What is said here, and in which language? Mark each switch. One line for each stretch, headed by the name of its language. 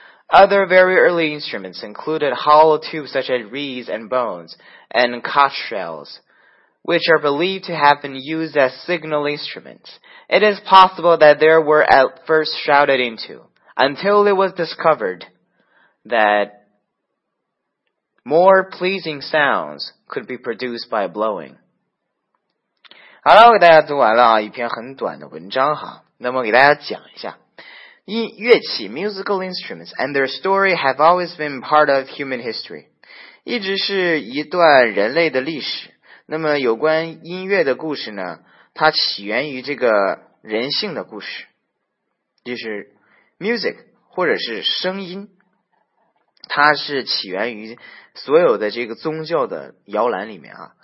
English: Other very early instruments included hollow tubes such as reeds and bones and cockshells, which are believed to have been used as signal instruments. It is possible that they were at first shouted into, until it was discovered that more pleasing sounds could be produced by blowing.
Chinese: 好了，我给大家读完了一篇很短的文章哈。那么给大家讲一下，
English: 乐器 musical instruments and their story have always been part of human history.
Chinese: 一直是一段人类的历史。那么有关音乐的故事呢，它起源于这个人性的故事。就是 music, 或者是声音。它是起源于所有的这个宗教的摇篮里面啊。